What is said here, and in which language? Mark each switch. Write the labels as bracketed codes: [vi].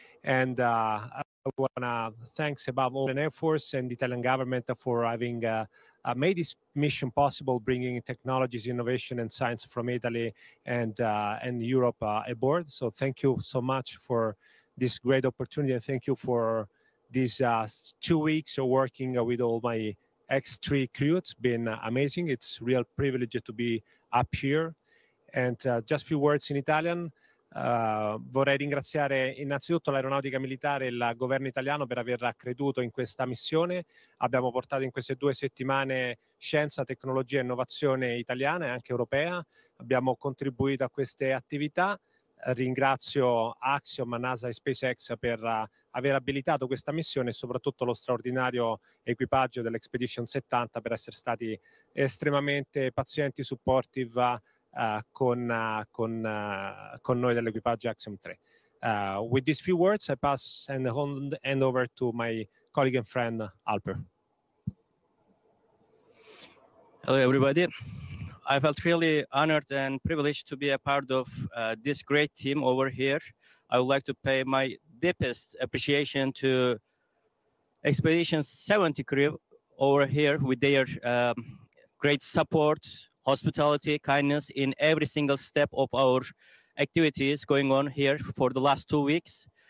[en] And I want to thanks above all the Air Force and the Italian government for having made this mission possible, bringing technologies, innovation, and science from Italy and Europe aboard. So thank you so much for this great opportunity. And thank you for these 2 weeks of working with all my X3 crew. It's been amazing. It's a real privilege to be up here. And just a few words in Italian. [it] Vorrei ringraziare innanzitutto l'aeronautica militare e il governo italiano per aver creduto in questa missione. Abbiamo portato in queste 2 settimane scienza, tecnologia e innovazione italiana e anche europea. Abbiamo contribuito a queste attività. Ringrazio Axiom, NASA e SpaceX per aver abilitato questa missione e soprattutto lo straordinario equipaggio dell'Expedition 70 per essere stati estremamente pazienti, supportive con noi dell'equipaggio Axiom 3. [en] With these few words, I pass and hand over to my colleague and friend Alper. Hello, everybody. I felt really honored and privileged to be a part of this great team over here. I would like to pay my deepest appreciation to Expedition 70 crew over here with their great support, hospitality, kindness in every single step of our activities going on here for the last 2 weeks.